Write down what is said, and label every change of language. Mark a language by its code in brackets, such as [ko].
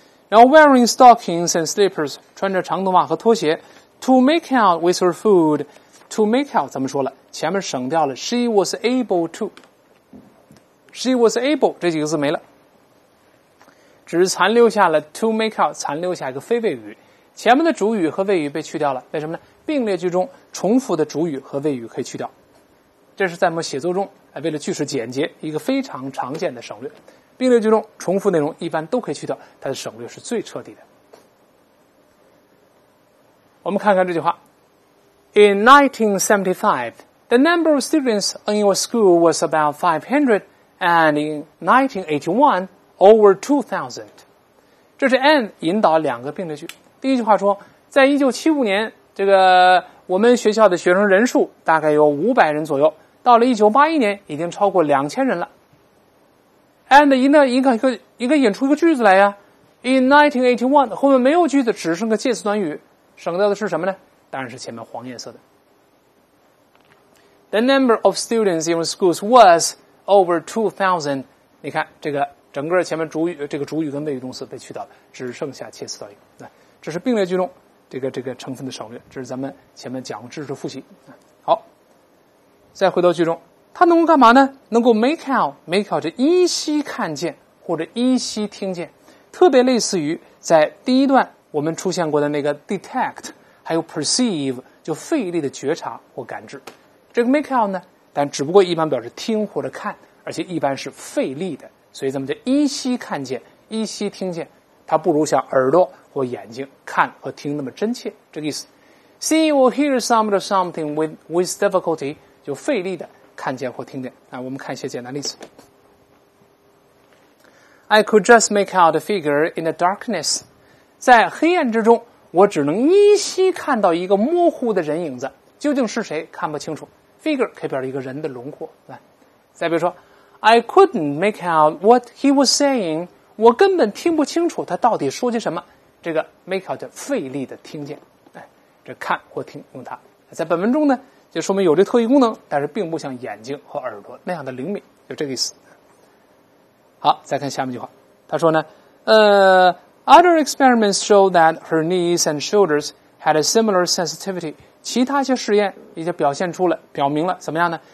[en] Now wearing stockings and slippers, [zh] 穿着长筒袜和拖鞋 [en] to make out with her food, to make out, [zh] 咱们说了前面省掉了 [en] she was able to, she was able, [zh] 这几个字没了，只残留下了 [en] to make out, [zh] 残留下一个非谓语，前面的主语和谓语被去掉了，为什么呢？并列句中重复的主语和谓语可以去掉，这是在我们写作中为了句式简洁一个非常常见的省略，并列句中重复内容一般都可以去掉，它的省略是最彻底的。我们看看这句话。 [en] In 1975, the number of students in your school was about 500, and in 1981, over 2,000. [zh] 这是 and 引导两个并列句。第一句话说，在1975年，这个我们学校的学生人数大概有500人左右，到了1981年已经超过2000人了。 And 应该引出一个句子来呀。In 1981, 后面没有句子，只剩个介词短语，省掉的是什么呢？当然是前面黄颜色的。 [en] The number of students in schools was over 2,000. [zh] 你看这个整个前面主语，这个主语跟谓语动词被去掉了，只剩下介词短语。这是并列句中这个成分的省略，这是咱们前面讲知识复习。好，再回到句中。他能够干嘛呢？能够 make out， make out 就依稀看见或者依稀听见，特别类似于在第一段我们出现过的那个 detect 还有 perceive， 就费力的觉察或感知。这个 make out 呢，但只不过一般表示听或者看，而且一般是费力的，所以咱们就依稀看见依稀听见，它不如像耳朵或眼睛看和听那么真切，这个意思。 [en] See or hear some of something with difficulty, [zh] 就费力的看见或听见。啊，我们看一些简单例子。 [en] I could just make out a figure in the darkness. [zh] 在黑暗之中，我只能依稀看到一个模糊的人影子，究竟是谁看不清楚。 Figure 可以表示一个人的轮廓。来，再比如说 [en] ，I couldn't make out what he was saying. [zh] 我根本听不清楚他到底说些什么。这个 make out 叫费力的听见。哎，这看或听用它。在本文中呢，就说明有这特异功能，但是并不像眼睛和耳朵那样的灵敏，就这个意思。好，再看下面句话，他说呢， [en] Other experiments show that her knees and shoulders had a similar sensitivity. [zh] 其他一些试验已经表现出了，表明了怎么样呢？